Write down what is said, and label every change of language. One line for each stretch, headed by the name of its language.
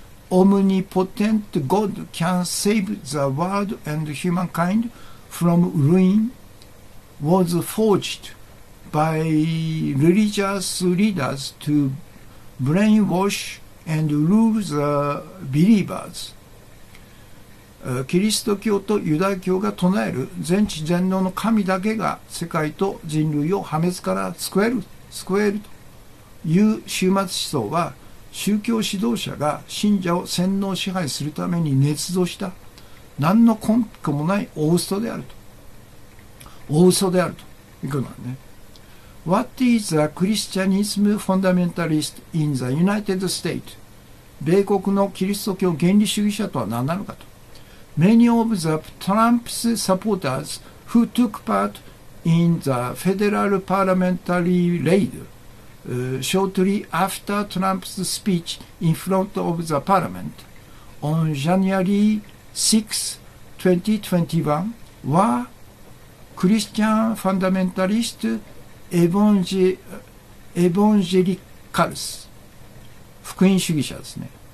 English: omnipotent God can save the world and humankind from ruin was forged by religious leaders to brainwash and rule the believers.
Japanese: キリスト教とユダヤ教が唱える全知全能の神だけが世界と人類を破滅から救えるという終末思想は、宗教指導者が信者を洗脳支配するために捏造した何の根拠もない大嘘であるということなんね。
English: What is the Christianism fundamentalist in the United States?
Japanese: 米国のキリスト教原理主義者とは何なのかと。
English: Many of the Trump's supporters who took part in the federal parliamentary raidShortly after Trump's speech in front of the parliament on January 6, 2021, were Christian fundamentalist evangelicals
Japanese: 福音主義者ですね。